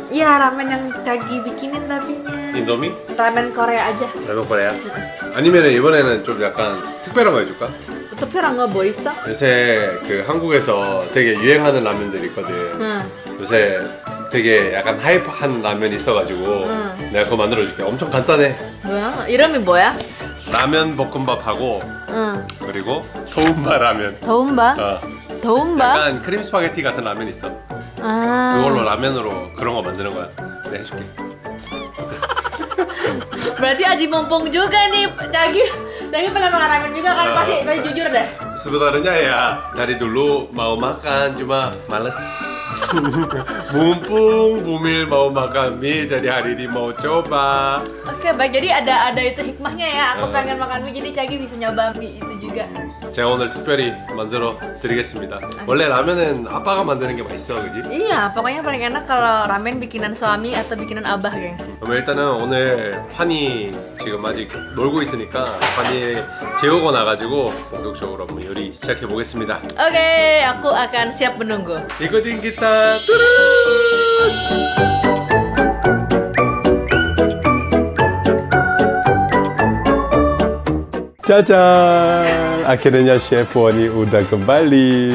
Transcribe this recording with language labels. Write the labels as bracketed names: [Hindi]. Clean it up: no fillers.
[Indonesian] 이야, 라면 yang Cagi bikinin tapi. Indomie? 라면 코레아 아자. 라면 코레아? [Korean] 아니면 이번에는 좀 약간 특별한 거 해줄까? 특별한 거 뭐 있어? 요새 그 한국에서 되게 유행하는 라면들 있거든. 응. 요새 되게 약간 하이퍼한 라면 있어가지고 응. 내가 그거 만들어줄게. 엄청 간단해. 뭐야? 이름이 뭐야? 라면 볶음밥하고 응. 그리고 도움바 라면. 도움바? 어. 도움바? 약간 크림 스파게티 같은 라면 있어. 아. 그걸로 라면으로 그런 거 만드는 거야. 내가 해줄게. [Indonesian] berarti aji mumpung juga nih, Cagi pengen makan ramen juga kan, pasti pasti jujur deh. Sebenarnya ya dari dulu mau makan cuma males. Mumpung Bumil mau makan mie, jadi hari ini mau coba. Oke, baik, jadi ada itu hikmahnya ya. Aku pengen makan mie, jadi Cagi bisa nyoba mie itu juga. [Korean] 제가 오늘 특별히 만들어 드리겠습니다. 원래 라면은 아빠가 만드는 게 맛있어, 그지? [Indonesian] 이야, pokoknya paling enak kalau ramen bikinan suami atau bikinan abah, gengs. [Korean] 그럼 일단은 오늘 환이 지금 아직 놀고 있으니까 환이 재우고 나가지고 본격적으로 요리 시작해 보겠습니다. [Indonesian] 오케이, aku akan siap menunggu. 이거든 kita terus. 짜잔! Akhirnya Chef Wani udah kembali.